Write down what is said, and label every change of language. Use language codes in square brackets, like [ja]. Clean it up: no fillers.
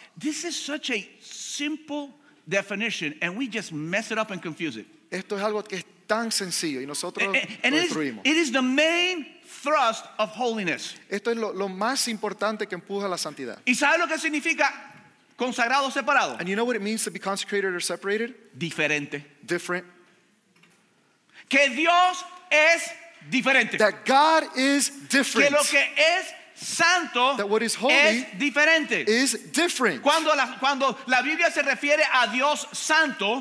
[en] This is such a simple definition, and we just mess it up and confuse it. [es] Esto es algo que es tan sencillo y nosotros lo destruimos. [en] It is the main thrust of holiness. [es] Esto es lo más importante que empuja la santidad. ¿Y sabes lo que significa consagrado o separado? [en] And you know what it means to be consecrated or separated? [es] Diferente. [en] Different. [es] Que Dios es diferente. [en] That God is different. [es] Que lo que es santo, [en] that what is holy [es] es diferente. [en] Is different. [es] Cuando la Biblia se refiere a Dios santo,